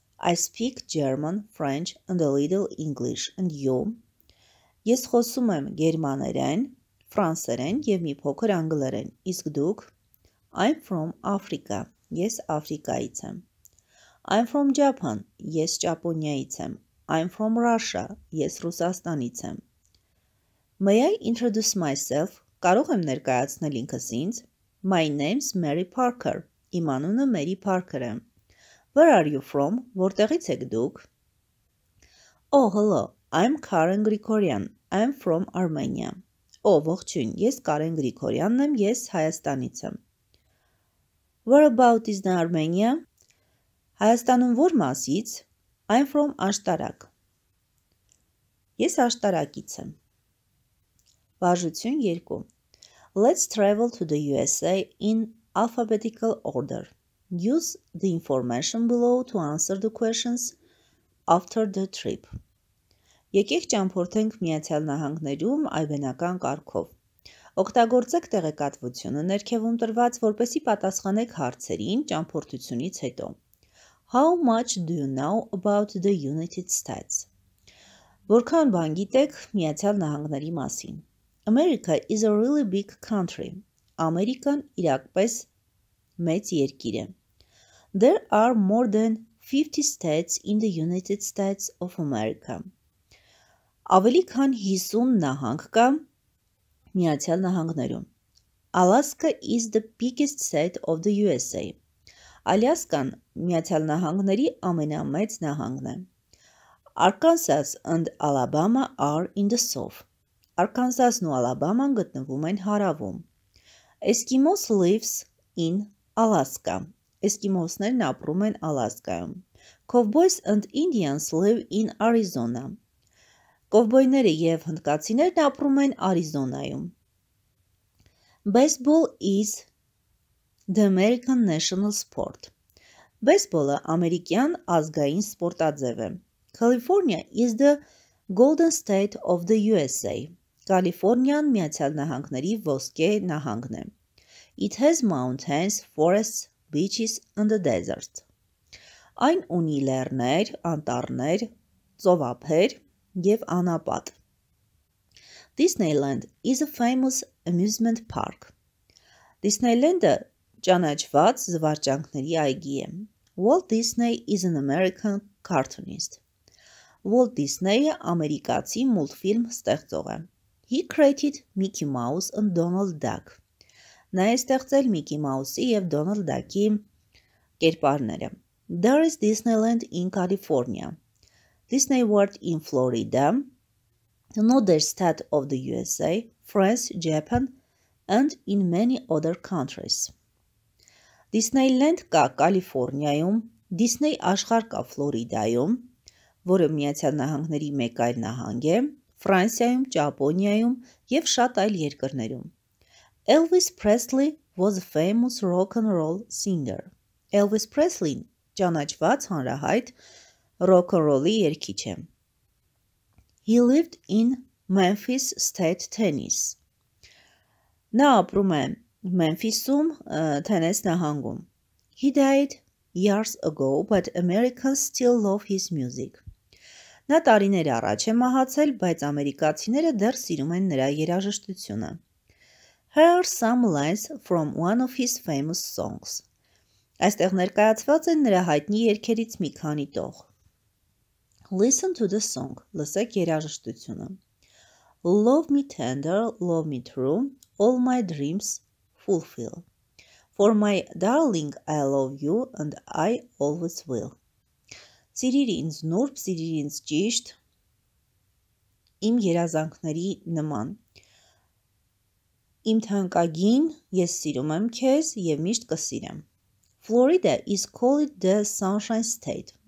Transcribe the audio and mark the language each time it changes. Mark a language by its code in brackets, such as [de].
[en] I speak German, French and a little English. And you? [hy] Ես խոսում եմ գերմաներեն, ֆրանսերեն եւ մի փոքր անգլերեն։ Իսկ դուք? [en] I'm from Africa. [hy] Ես Աֆրիկայից եմ. [en] I'm from Japan. [hy] Ես Ճապոնիայից եմ. [en] I'm from Russia. [hy] Ես Ռուսաստանից եմ. [en] May I introduce myself? [hy] Կարող եմ ներկայացնել ինքս ինձ? [en] My name's Mary Parker. [hy] Իմ անունը Մերի Փարքեր է. [en] Where are you from? [hy] Որտեղից եք դուք? [en] Oh, hello. I'm Karen Grigorian. I'm from Armenia. [hy] Oh, ողջույն. Ես Karen Grigorian-ն եմ, ես Հայաստանից եմ. [en] Where about is the Armenia? [hy] Հայաստանում ո՞ր մասից։ [en] I'm from Աշտարակ. [hy] Ես Աշտարակից եմ։ Վարժություն 2. [en] Let's travel to the USA in alphabetical order. Use the information below to answer the questions after the trip. [hy] Եկեք ճամփորդենք Միացյալ Նահանգներում այբենական կարգով։ Օգտագործեք տեղեկատվությունը ներքևում տրված, որպեսզի պատասխանեք հարցերին ճամփորդությունից հետո։ [en] How much do you know about the United States? [hy] Որքան բան գիտեք Միացյալ Նահանգների մասին։ [en] America is a really big country. [hy] Ամերիկան իրապես մեծ երկիր է։ [en] There are more than 50 states in the United States of America. [hy] Ավելի քան 50 նահանգ կա Միացյալ Նահանգներում։ [en] Alaska is the biggest state of the USA. [hy] Ալյասկան Միացյալ Նահանգների ամենամեծ նահանգն է։ [en] Arkansas and Alabama are in the south. [hy] Arkansas-ն ու Alabama-ն գտնվում են հարավում։ [en] Eskimos lives in Alaska. [hy] Eskimos-ներն ապրում են Ալասկայում։ [en] Cowboys and Indians live in Arizona. [hy] Կովբոյները եւ հնդկացիներն ապրում են Արիզոնայում։ [en] Baseball is the American national sport. [hy] Բեյսբոլը ամերիկյան ազգային սպորտաձև է։ [en] California is the golden state of the USA. [hy] Կալիֆոռնիան Միացյալ Նահանգների ոսկե նահանգն է։ [en] It has mountains, forests, beaches and a desert. [hy] Այն ունի լեռներ, անտառներ, ծովափեր և անապատ։ [en] Disneyland is a famous amusement park. [hy] Disneyland-ը ճանաչված զվարճանքների այգի է։ [en] Walt Disney is an American cartoonist. [hy] Walt Disney-ը ամերիկացի մուլտֆիլմ ստեղծող է։ [en] He created Mickey Mouse and Donald Duck. [hy] Նա է ստեղծել Mickey Mouse-ի եւ Donald Duck-ի կերպարները։ [en] There is Disneyland in California. Disney World in Florida, another state of the USA, France, Japan, and in many other countries. [hy] Disneyland կա Կալիֆոռնիայում, Disney աշխարհ կա Ֆլորիդայում, որը Միացյալ Նահանգների մեկ այլ նահանգ է, Ֆրանսիայում, Ճապոնիայում եւ շատ այլ երկրներում. [en] Elvis Presley was a famous rock and roll singer. [hy] Elvis Presley-ն ճանաչված հանրահայտ rock and roll-ի երգիչ է. [en] He lived in Memphis, State, Tennessee. [hy] Նա ապրում է Memphis-ում, Tennessee նահանգում. [en] He died years ago, but Americans still love his music. [hy] Նա տարիներ առաջ է մահացել, բայց ամերիկացիները դեռ սիրում են նրա երաժշտությունը. [en] Here are some lines from one of his famous songs. [hy] Այստեղ ներկայացված են նրա հայտնի երգերից մի քանի տող. [en] Listen to the song. [hy] Լսեք երաժշտությունը. [en] Love me tender, love me true, all my dreams fulfill. For my darling, I love you and I always will. [hy] Սիրիր ինձ նուրբ, սիրիր ինձ ճիշտ, իմ երազանքների նման։ Իմ թանկագին, ես սիրում եմ քեզ եւ միշտ կսիրեմ։ [en] Florida is called the Sunshine State.